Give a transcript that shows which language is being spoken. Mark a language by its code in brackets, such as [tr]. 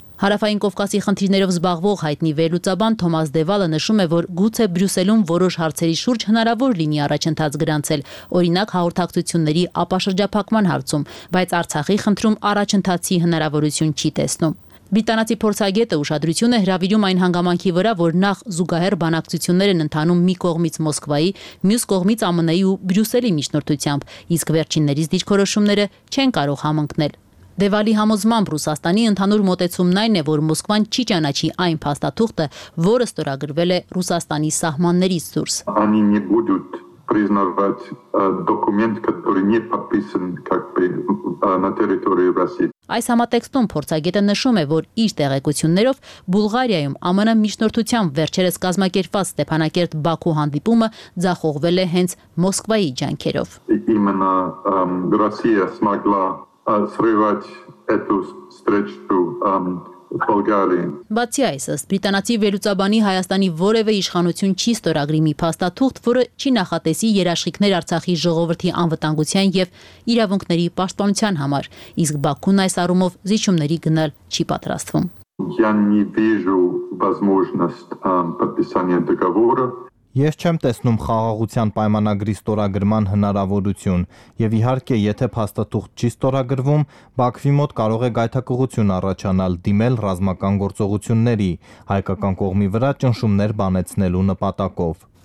[hy] Հարավային Կովկասի խնդիրներով զբաղվող հայտնի վերլուծաբան Թոմաս Դևալը նշում է, որ գուցե Բրյուսելում որոշ հարցերի շուրջ հնարավոր լինի առաջընթաց գրանցել, օրինակ հաղորդակցությունների ապաշրջափակման հարցում, բայց Արցախի խնդրում առաջընթացի հնարավորություն չի տեսնում։ Բրիտանացի փորձագետը ուշադրություն է հրավիրում այն հանգամանքի վրա, որ նախ զուգահեռ բանակցություններ են ընթանում մի կողմից Մոսկվայի, մյուս կողմից ԱՄՆ-ի ու Բրյուսելի միջնորդությամբ, իսկ վերջիններից դիրքորոշումները չեն կարող համընկնել։ Դևալի համոզմամբ Ռուսաստանի ընդհանուր մոտեցումն այն է, որ Մոսկվան չի ճանաչի այն փաստաթուղթը, որը ստորագրվել է Ռուսաստանի սահմաններից դուրս։ [ru] Они не будут признавать документ, который не подписан как бы на территории России։ [hy] Այս համատեքստում փորձագետը նշում է, որ իր տեղեկություններով Բուլղարիայում ԱՄՆ միջնորդությամբ վերջերս կազմակերպված Ստեփանակերտ Բաքու հանդիպումը ձախողվել է հենց Մոսկվայի ջանքերով։ [ru] Именно Россия смогла срывать эту встречу в Болгарии. [hy] Բացի այս, Բրիտանացի վերլուծաբանի Հայաստանի որևէ իշխանություն չի ստորագրի մի փաստաթուղթ, որը չի նախատեսի երաշխիքներ Արցախի ժողովրդի անվտանգության և իրավունքների պաշտպանության համար, իսկ Բաքուն այս առումով զիջումների գնալ չի պատրաստվում։ [ru] Я не вижу возможность подписания договора. [hy] Ես չեմ տեսնում խաղաղության պայմանագրի ստորագրման հնարավորություն, և իհարկե, եթե փաստաթուղթ չի ստորագրվում, Բաքվի մոտ կարող է գայթակղություն առաջանալ դիմել ռազմական գործողությունների, հայկական կողմի վրա ճնշումներ բանեցնելու նպատակով։